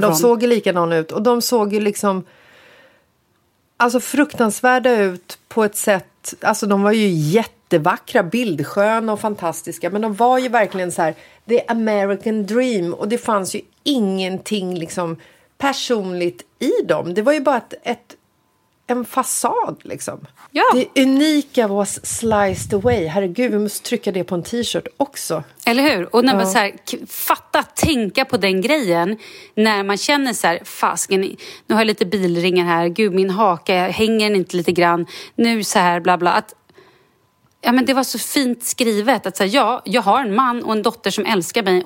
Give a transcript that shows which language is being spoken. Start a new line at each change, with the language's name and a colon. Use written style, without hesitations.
Swedish: Nej, men de såg ju likadana ut och de såg ju liksom... Alltså fruktansvärda ut på ett sätt, alltså de var ju jättevackra, bildsköna och fantastiska, men de var ju verkligen så här
English: the American dream,
Swedish: och det fanns ju ingenting liksom personligt i dem. Det var ju bara en fasad liksom. Ja. Det unika
English: was sliced away.
Swedish: Herregud, vi måste trycka det på en t-shirt också. Eller hur? Och när man så här, tänka på den grejen. När man känner så här, nu har jag lite bilringar här. Gud, min haka, jag hänger inte lite grann. Nu så här, bla bla. Ja, men det var så fint skrivet. Att så här, ja, jag har en man och en dotter som älskar mig.